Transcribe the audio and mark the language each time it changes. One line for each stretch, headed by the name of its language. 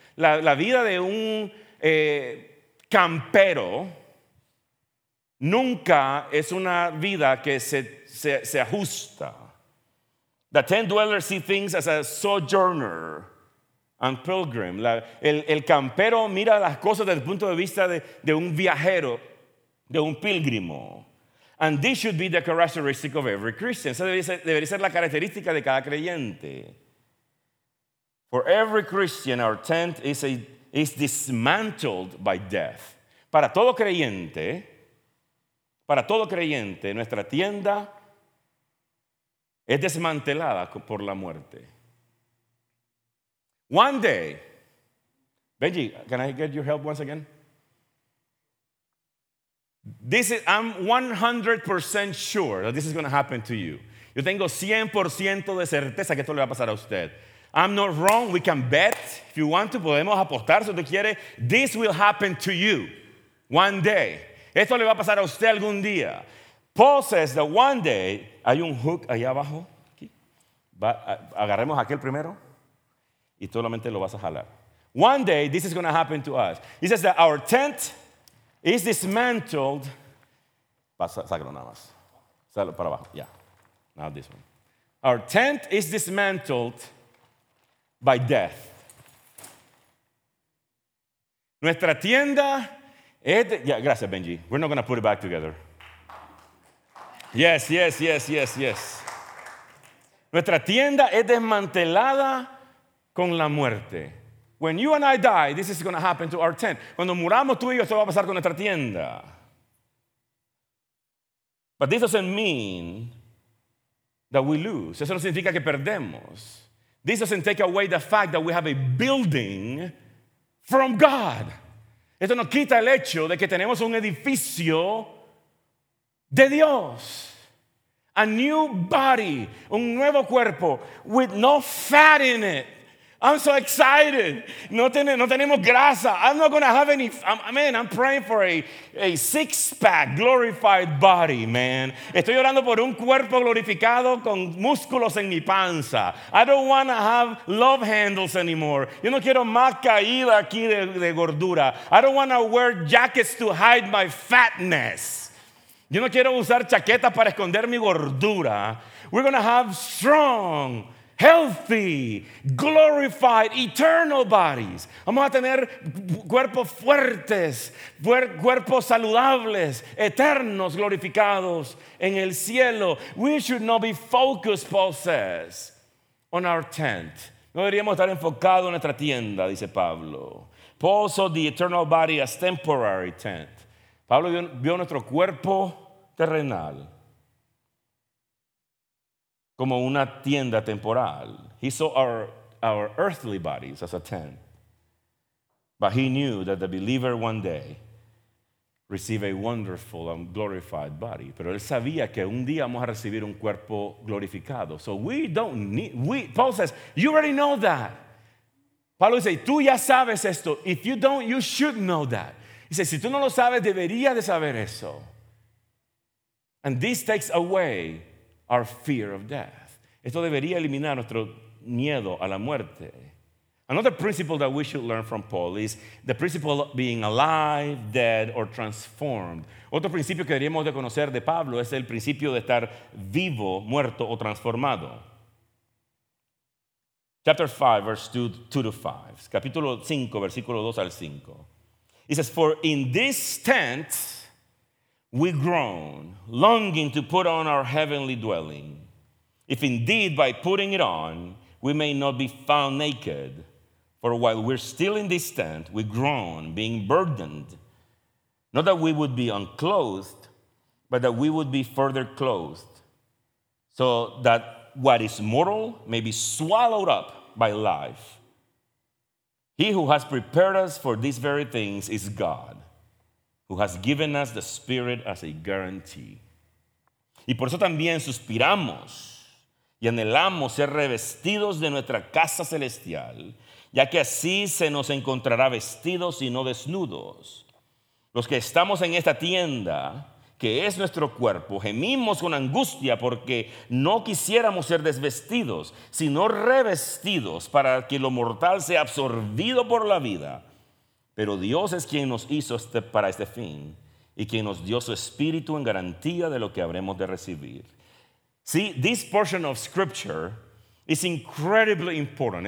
Spanish: La vida de un campero nunca es una vida que se ajusta.
English: The tent dweller sees things as a sojourner. And pilgrim,
Spanish: el campero mira las cosas desde el punto de vista de un viajero, de un pilgrimo.
English: And this should be the characteristic of every Christian.
Spanish: Esa debería ser la característica de cada creyente.
English: For every Christian, our tent is dismantled by death.
Spanish: Para todo creyente, nuestra tienda es desmantelada por la muerte.
English: One day, Benji, can I get your help once again? I'm 100% sure that this is going to happen to you.
Spanish: Yo tengo 100% de certeza que esto le va a pasar a usted.
English: I'm not wrong. We can bet. If you want to,
Spanish: podemos apostar si usted quiere.
English: This will happen to you one day.
Spanish: Esto le va a pasar a usted algún día.
English: Paul says that one day,
Spanish: hay un hook allá abajo. Aquí. Agarremos aquel primero. Y solamente lo vas a jalar.
English: One day, this is going to happen to us. He says that our tent is dismantled.
Spanish: Sácalo nada más. Sácalo para abajo.
English: Yeah. Now this one. Our tent is dismantled by death.
Spanish: Nuestra tienda es...
English: Yeah, gracias, Benji. We're not going to put it back together. Yes, yes, yes, yes, yes.
Spanish: Nuestra tienda es desmantelada con la muerte.
English: When you and I die, this is going to happen to our tent.
Spanish: Cuando muramos tú y yo, esto va a pasar con nuestra tienda.
English: But this doesn't mean that we lose.
Spanish: Eso no significa que perdemos.
English: This doesn't take away the fact that we have a building from God.
Spanish: Esto no quita el hecho de que tenemos un edificio de Dios.
English: A new body,
Spanish: un nuevo cuerpo
English: with no fat in it. I'm so excited.
Spanish: No tenemos grasa.
English: I'm not going to have any. I'm praying for a six-pack glorified body, man.
Spanish: Estoy orando por un cuerpo glorificado con músculos en mi panza.
English: I don't want to have love handles anymore.
Spanish: Yo no quiero más caída aquí de gordura.
English: I don't want to wear jackets to hide my fatness.
Spanish: Yo no quiero usar chaquetas para esconder mi gordura.
English: We're going to have strong, healthy, glorified, eternal bodies.
Spanish: Vamos a tener cuerpos fuertes, cuerpos saludables, eternos, glorificados en el cielo.
English: We should not be focused, Paul says, on our tent.
Spanish: No deberíamos estar enfocados en nuestra tienda, dice Pablo.
English: Paul saw the eternal body as temporary tent.
Spanish: Pablo vio nuestro cuerpo terrenal como una tienda temporal.
English: He saw our earthly bodies as a tent. But he knew that the believer one day receive a wonderful and glorified body.
Spanish: Pero él sabía que un día vamos a recibir un cuerpo glorificado.
English: So we don't need, Paul says, you already know that.
Spanish: Pablo dice, tú ya sabes esto.
English: If you don't, you should know that. He says,
Spanish: si tú no lo sabes, deberías de saber eso.
English: And this takes away our fear of death.
Spanish: Esto debería eliminar nuestro miedo a la muerte.
English: Another principle that we should learn from Paul is the principle of being alive, dead, or transformed.
Spanish: Otro principio que deberíamos de conocer de Pablo es el principio de estar vivo, muerto, o transformado.
English: Chapter 5, verse 2 to 5.
Spanish: Capítulo 5, versículo 2 al 5.
English: It says, for in this tent we groan, longing to put on our heavenly dwelling. If indeed by putting it on, we may not be found naked. For while we're still in this tent, we groan, being burdened. Not that we would be unclothed, but that we would be further clothed. So that what is mortal may be swallowed up by life. He who has prepared us for these very things is God, who has given us the Spirit as a guarantee.
Spanish: Y por eso también suspiramos y anhelamos ser revestidos de nuestra casa celestial, ya que así se nos encontrará vestidos y no desnudos. Los que estamos en esta tienda, que es nuestro cuerpo, gemimos con angustia porque no quisiéramos ser desvestidos, sino revestidos para que lo mortal sea absorbido por la vida. Pero Dios es quien nos hizo para este fin y quien nos dio su espíritu en garantía de lo que habremos de recibir.
English: See, this portion of scripture is incredibly important.